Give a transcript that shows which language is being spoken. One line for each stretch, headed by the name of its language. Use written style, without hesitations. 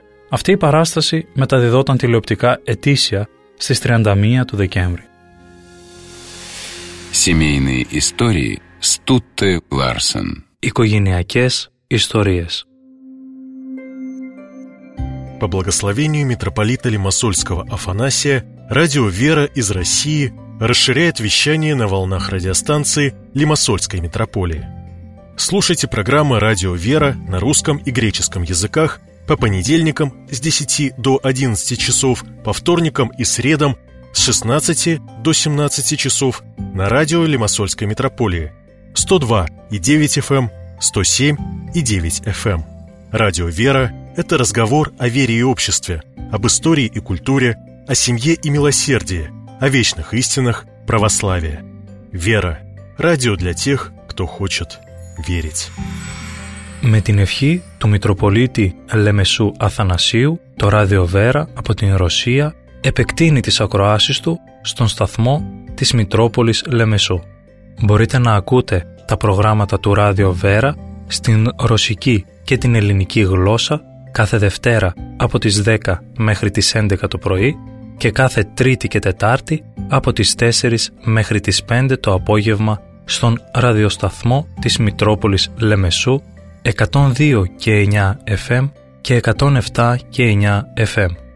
Greek: Αυτή η παράσταση μεταδιδόταν τηλεοπτικά ετήσια στις 31 του Δεκέμβρη.
Russian: Семейные истории Стутте Ларсен.
Greek: Οικογενειακές ιστορίες.
Russian: По благословению митрополита Лимассольского Афанасия, радио «Вера» из России – расширяет вещание на волнах радиостанции Лимассольской митрополии. Слушайте программы «Радио Вера» на русском и греческом языках по понедельникам с 10 до 11 часов, по вторникам и средам с 16 до 17 часов на радио Лимассольской митрополии 102,9 FM, 107,9 FM. Радио «Вера» – это разговор о вере и обществе, об истории и культуре, о семье и милосердии, о вечных истинах православия. «Вера» – радио для тех, кто хочет верить.
Greek: Με την ευχή του Μητροπολίτη Λεμεσού Αθανασίου, το Ράδιο «Βέρα» από την Ρωσία επεκτείνει τις ακροάσεις του στον σταθμό της Μητρόπολης Λεμεσού. Μπορείτε να ακούτε τα προγράμματα του Ράδιο «Βέρα» στην ρωσική και την ελληνική γλώσσα κάθε Δευτέρα από τις 10 μέχρι τις 11 το πρωί και κάθε Τρίτη και Τετάρτη από τις 4 μέχρι τις 5 το απόγευμα στον ραδιοσταθμό της Μητρόπολης Λεμεσού 102 και 9 FM και 107 και 9 FM.